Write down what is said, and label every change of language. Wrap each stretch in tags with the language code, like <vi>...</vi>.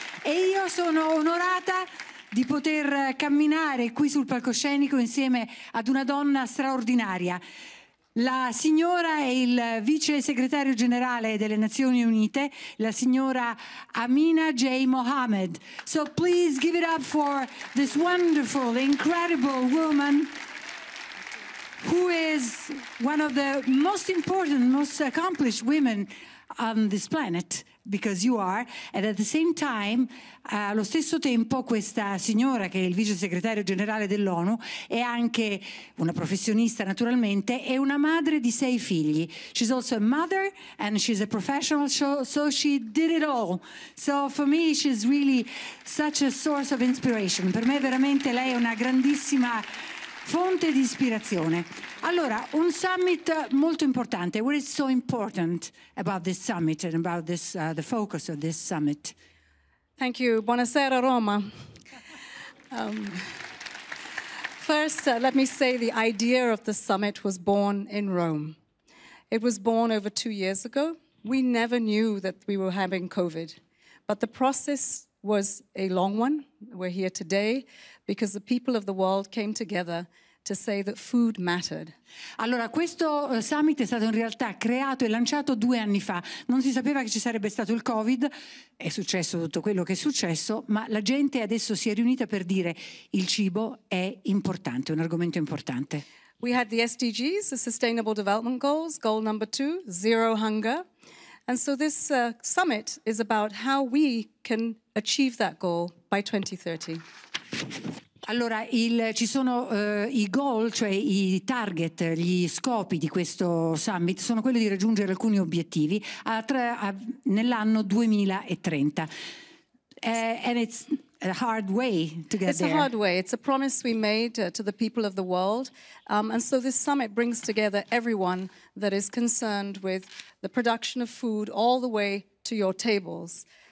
<it>E io sono onorata di poter camminare qui sul palcoscenico insieme ad una donna straordinaria. La signora è il vice segretario generale delle Nazioni Unite, la signora Amina J. Mohammed.</it> <en>So please give it up for this wonderful, incredible woman. who is one of the most important, most accomplished women on this planet, because you are, and at the same time,</en> <it>allo stesso tempo, questa signora che è il vice segretario generale dell'ONU è anche una professionista, naturalmente, e una madre di sei figli.</it> <en>She's also a mother and she's a professional, so she did it all. So for me she's really such a source of inspiration.</en> <it>Per me veramente lei è una grandissima fonte di ispirazione. Allora, un summit molto importante.</it> <en>What is so important about this summit and about this the focus of this summit? Thank you.</en> <it>Buonasera, Roma.</it> <en>First, let me say the idea of the summit was born in Rome. It was born over 2 years ago. We never knew that we were having COVID, but the process was a long one. We're here today because the people of the world came together to say that food mattered.</en> <it>Allora, questo summit è stato in realtà creato e lanciato 2 anni fa. Non si sapeva che ci sarebbe stato il COVID, è successo tutto quello che è successo, ma la gente adesso si è riunita per dire il cibo è importante, un argomento importante.</it> <en>We had the SDGs, the Sustainable Development Goals, goal number 2, zero hunger. And so this summit is about how we can achieve that goal by 2030.</en> <it>Allora, ci sono i goal, cioè i target, gli scopi di questo summit, sono quelli di raggiungere alcuni obiettivi nell'anno 2030.</it> <en>And it's a hard way to get it's there. It's a hard way. It's a promise we made to the people of the world. And so this summit brings together everyone that is concerned with the production of food all the way to your tables.</en>